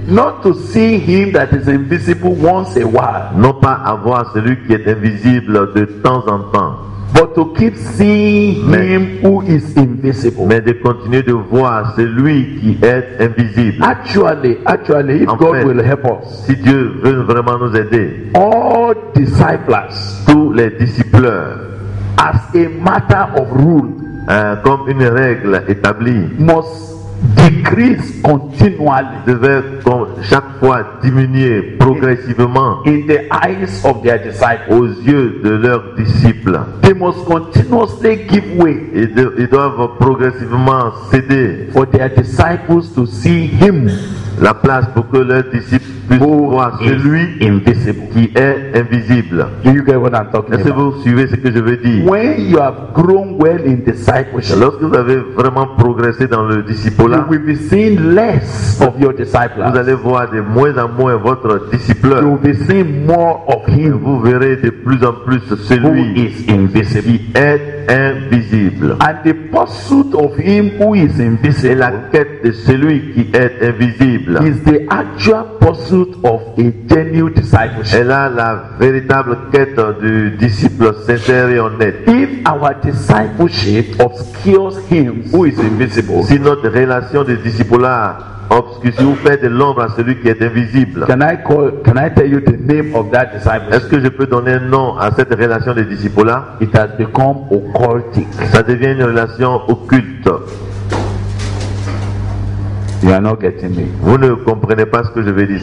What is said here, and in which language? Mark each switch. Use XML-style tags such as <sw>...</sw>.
<en>not to see him that is invisible once a while,</en> <fr>non pas avoir celui qui est invisible de temps en temps,</fr> <en>but to keep seeing him who is invisible,</en> <fr>mais de continuer de voir celui qui est invisible.</fr> <en>Actually, if</en> <fr>en</fr> <en>God</en> <fr>fait,</fr> <en>will help us,</en> <fr>si Dieu veut vraiment nous aider,</fr> <en>all disciples,</en> <fr>tous les disciples,</fr> <en>as a matter of rule,</en> <fr>comme une règle établie,</fr> <en>must decrease continually,</en> <fr>devait chaque fois diminuer progressivement,</fr> <en>in the eyes of their disciples,</en> <fr>aux yeux de leurs disciples,</fr> <en>they must continuously give way,</en> <fr>ils doivent progressivement céder,</fr> <en>for their disciples to see him,</en> <fr>la place pour que leurs disciples puissent voir celui</fr> <en>invisible,</en> <fr>qui est invisible.</fr> <en>Do you get what I'm talking</en> <fr>est-ce</fr> <en>about?</en> <fr>Que vous suivez ce que je veux dire?</fr> <en>When you have grown well in discipleship,</en> <fr>lorsque vous avez vraiment progressé dans le discipulat,</fr> <en>you will be seeing less of your disciples.</en> <fr>Vous allez voir de moins en moins votre disciple.</fr> <en>You will be seeing more of him.</en> <fr>Vous verrez de plus en plus celui</fr> <en>who is invisible.</en> <fr>Qui est invisible.</fr> <en>And the pursuit of him who is invisible,</en> <fr>et la quête de celui qui est invisible,</fr> <en>is the actual pursuit pursuit of a genuine discipleship.</en> <fr>Elle a la véritable quête du disciple sincère et honnête.</fr> <en>If our discipleship obscures him who is invisible,</en> <fr>si notre relation de discipulat obscurcit ou fait de l'ombre à celui qui est invisible,</fr> <en>Can I tell you the name of that discipleship?</en> <fr>Est-ce que je peux donner un nom à cette relation de discipulat?</fr> <en>It has become occultic.</en> <fr>Ça devient une relation occulte.</fr> <en>You are not getting me.</en> <fr>Vous ne comprenez pas ce que je veux dire.</fr>